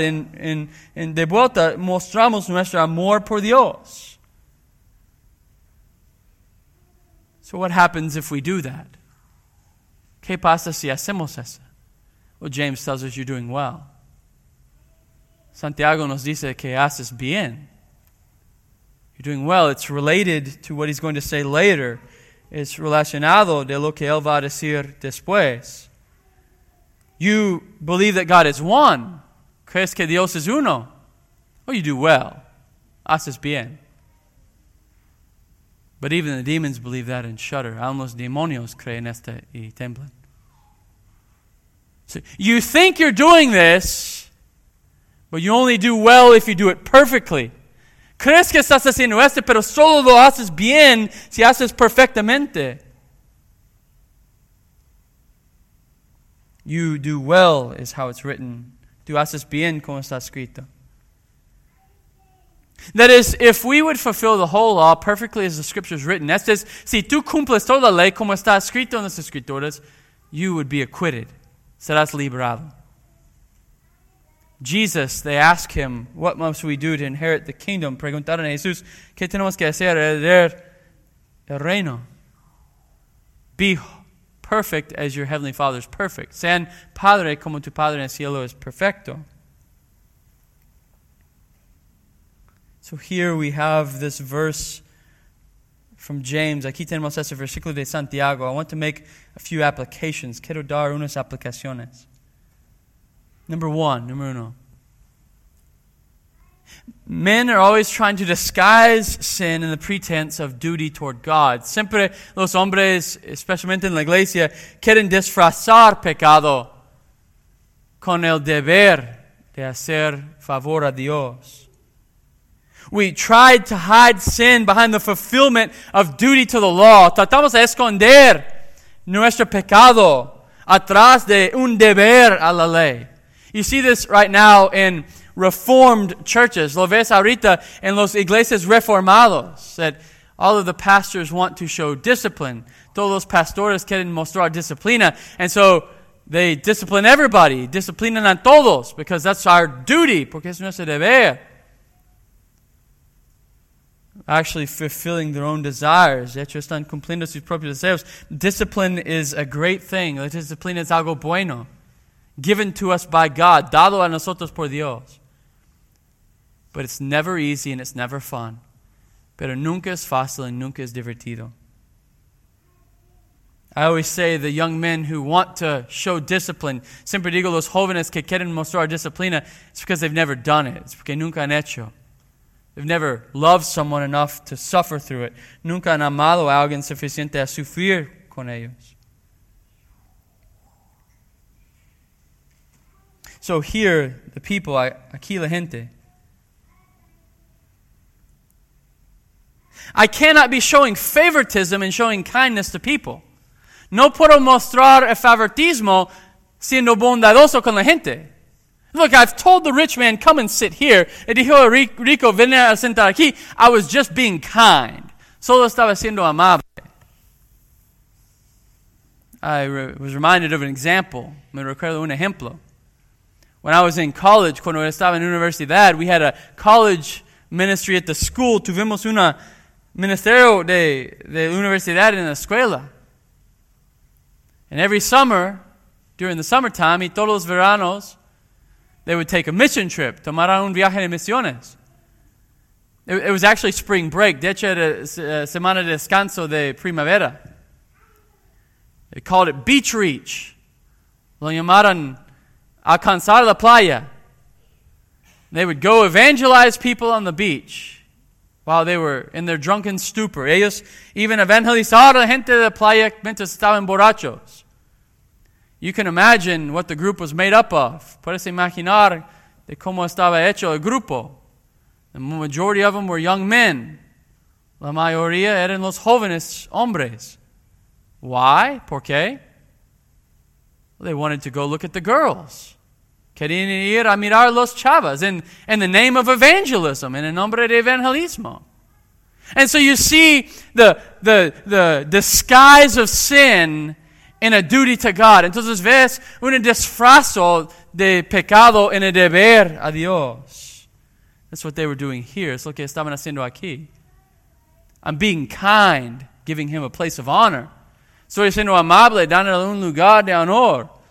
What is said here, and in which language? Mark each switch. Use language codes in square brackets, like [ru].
[es] In de vuelta, mostramos nuestro amor por Dios. [en] So what happens if we do that? [es] ¿Qué pasa si hacemos eso? [en] Well, James tells us you're doing well. [es] Santiago nos dice que haces bien. [en] You're doing well. It's related to what he's going to say later. It's [es] relacionado de lo que él va a decir después. [en] You believe that God is one. [es] ¿Crees que Dios es uno? [en] Well, you do well. [es] Haces bien. [en] But even the demons believe that and shudder. [es] Aún los demonios creen esto y temblan. [en] So you think you're doing this, but you only do well if you do it perfectly. [es] ¿Crees que estás haciendo esto, pero solo lo haces bien si haces perfectamente? [en] You do well is how it's written. [es] Tú haces bien como está escrito. [en] That is, if we would fulfill the whole law perfectly as the scripture is written, [es] esto es, si tú cumples toda la ley como está escrito en las escrituras, [en] you would be acquitted. [es] Serás liberado. [en] Jesus, they ask him, what must we do to inherit the kingdom? [es] Preguntaron a Jesús, ¿qué tenemos que hacer para heredar el reino? [en] Be perfect as your heavenly Father is perfect. [es] Sean padre como tu padre en el cielo es perfecto. [en] So here we have this verse from James. [es] Aquí tenemos este versículo de Santiago. [en] I want to make a few applications. [es] Quiero dar unas aplicaciones. Número uno. [en] Men are always trying to disguise sin in the pretense of duty toward God. [es] Siempre los hombres, especialmente en la iglesia, quieren disfrazar pecado con el deber de hacer favor a Dios. [en] We tried to hide sin behind the fulfillment of duty to the law. [es] Tratamos de esconder nuestro pecado atrás de un deber a la ley. [en] You see this right now in reformed churches. [es] Lo ves ahorita en los iglesias reformados. [en] That all of the pastors want to show discipline. [es] Todos los pastores quieren mostrar disciplina. [en] And so they discipline everybody. [es] Disciplinan a todos [en] because that's our duty. [es] Porque es nuestro deber. [en] Actually fulfilling their own desires. [es] De hecho, están cumpliendo sus propios deseos. [en] Discipline is a great thing. [es] La disciplina es algo bueno. [en] Given to us by God. [es] Dado a nosotros por Dios. [en] But it's never easy and it's never fun. [es] Pero nunca es fácil y nunca es divertido. [en] I always say the young men who want to show discipline. [es] Siempre digo los jóvenes que quieren mostrar disciplina. [en] It's because they've never done it. It's [es] porque nunca han hecho. [en] They've never loved someone enough to suffer through it. [es] Nunca han amado a alguien suficiente a sufrir con ellos. [en] So here, the people, [es] aquí la gente. [en] I cannot be showing favoritism and showing kindness to people. [es] No puedo mostrar el favoritismo siendo bondadoso con la gente. [en] Look, I've told the rich man, come and sit here. [es] Y dijo el rico, ven a sentar aquí. [en] I was just being kind. [es] Solo estaba siendo amable. [en] I was reminded of an example. [es] Me recuerdo un ejemplo. [en] When I was in college, [es] cuando estaba en universidad, [en] we had a college ministry at the school. [es] Tuvimos un ministerio de universidad en la escuela. [en] And every summer, during the summertime, [es] y todos los veranos, [en] they would take a mission trip. [es] Tomaron un viaje de misiones. [en] It was actually spring break. [es] De hecho, era semana de descanso de primavera. [en] They called it beach reach. [es] Lo llamaron alcanzar la playa. [en] They would go evangelize people on the beach while they were in their drunken stupor. [es] Ellos [en] even [es] evangelizaron a la gente de la playa mientras estaban borrachos. [en] You can imagine what the group was made up of. [es] Puedes imaginar de cómo estaba hecho el grupo. [en] The majority of them were young men. [es] La mayoría eran los jóvenes hombres. [en] Why? [es] ¿Por qué? [en] Well, they wanted to go look at the girls. [es] Querían ir a mirar los chavas [en] in the name of evangelism, [es] in el nombre de evangelismo. [en] And so you see the disguise of sin in a duty to God. [es] Entonces ves un disfrazo de pecado en el deber a Dios. [en] That's what they were doing here. [es] Es lo que estaban haciendo aquí. [en] I'm being kind, giving him a place of honor. [es] Estoy siendo amable, dándole un lugar de honor.